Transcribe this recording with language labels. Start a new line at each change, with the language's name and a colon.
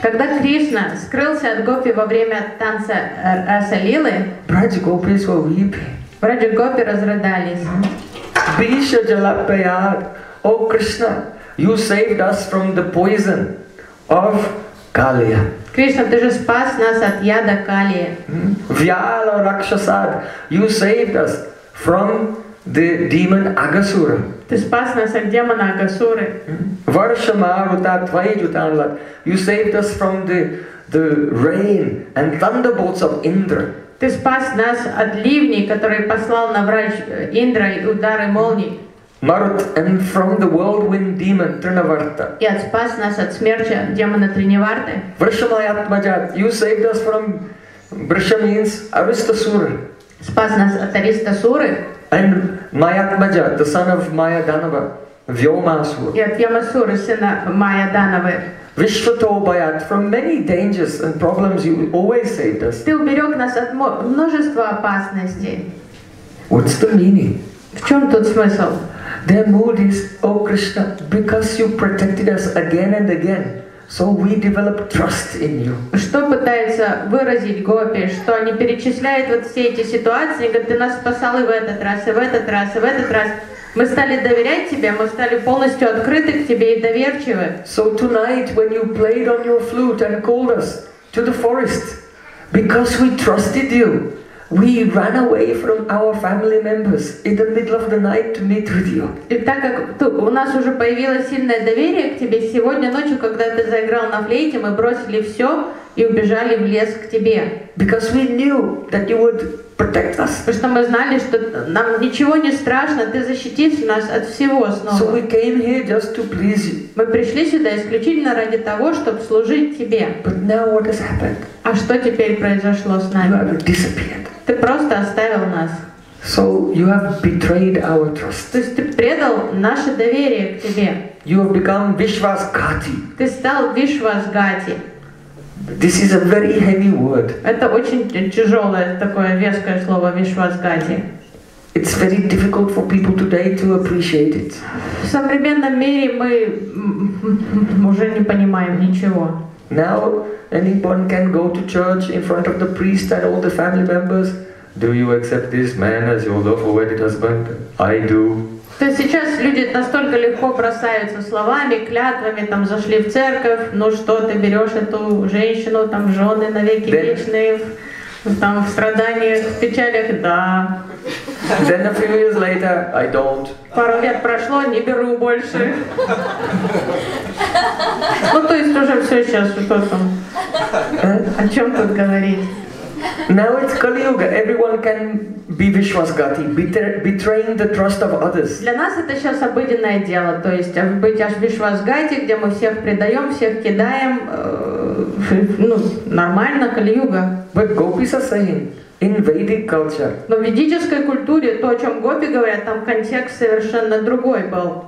Russian: Когда Кришна скрылся от гопи во время танца Раса Лилы,
English: Брадзи гопи were weeping.
Russian: Брадзи гопи разрыдались.
Sanskrit: Bhisha Jalapaya,
English: O Krishna, you saved us from the poison of Kaliya.
Russian: Кришна, ты же спас нас от яда Калии.
Sanskrit: Vyala Rakshasad,
English: you saved us from the demon Agasura.
Russian: Ты спас нас от демона Агасуры.
Sanskrit: Varshamaruta Tvayajutanla,
English: you saved us from the rain and thunderbolts of Indra.
Russian: Ты спас нас от ливней, который послал на врач Индра и удары молний.
English: Marut, and from the whirlwind demon Trinavarta.
Russian: И от спас нас от смерти демона Тринаварты.
English: Varshamayatmaja, you saved us from Varsha means Aristasura.
Russian: Спас нас от Аристасуры.
English: And Mayatmaja, the son of Maya Danava, Vyomasura.
Russian: И от Ямасуры, сына Майя Дановы.
English: Vishvatobayat, from many dangers and problems you always saved us.
Russian: Ты уберег нас от множества опасностей.
English: What's the meaning?
Russian: В чем тут смысл?
English: The mood is, O Krishna, because you protected us again and again, so we develop trust in you.
Russian: Что пытается выразить гопи, что они перечисляют вот все эти ситуации, как ты нас спасал и в этот раз, и в этот раз, и в этот раз. Мы стали доверять тебе, мы стали полностью открыты к тебе и доверчивы.
English: So tonight, when you played on your flute and called us to the forest, because we trusted you, we ran away from our family members in the middle of the night to meet with you.
Russian: И так как у нас уже появилось сильное доверие к тебе, сегодня ночью, когда ты заиграл на флейте, мы бросили все и убежали в лес к тебе.
English: Because we knew that you would protect us.
Russian: Потому что мы знали, что нам ничего не страшно, ты защитишь нас от всего снова.
English: So we came here just to please you.
Russian: Мы пришли сюда исключительно ради того, чтобы служить тебе.
English: But now what has happened?
Russian: А что теперь произошло с нами?
English: You have disappeared.
Russian: Ты просто оставил нас.
English: So you have betrayed our trust.
Russian: То есть ты предал наше доверие к тебе.
English: You have become Vishvasghati.
Russian: Ты стал Vishvasghati.
English: This is a very heavy word.
Russian: Это очень тяжелое такое веское слово Vishvasghati.
English: It's very difficult for people today to appreciate it.
Russian: В современном мире мы уже не понимаем ничего.
English: Now anyone can go to church in front of the priest and all the family members. Do you accept this man as your lawful wedded husband? I do.
Russian: То есть сейчас люди настолько легко бросаются словами, клятвами, там зашли в церковь, ну что, ты берешь эту женщину, там жены навеки вечные, там в страданиях, в печалях, да.
English: Then a few years later, I don't.
Russian: Пару лет прошло, не беру больше. Ну то есть уже все сейчас, что там, о чем тут говорить.
English: Now it's Kali Yuga. Everyone can be Vishwasgati, betraying the trust of others.
Russian: Для нас это сейчас обыденное дело, то есть быть аж Вишвасгати, где мы всех предаем, всех кидаем, ну нормально Кали Юга.
English: But gopis are saying in Vedic culture.
Russian: Но в ведической культуре то, о чем гопи говорят, там контекст совершенно другой был.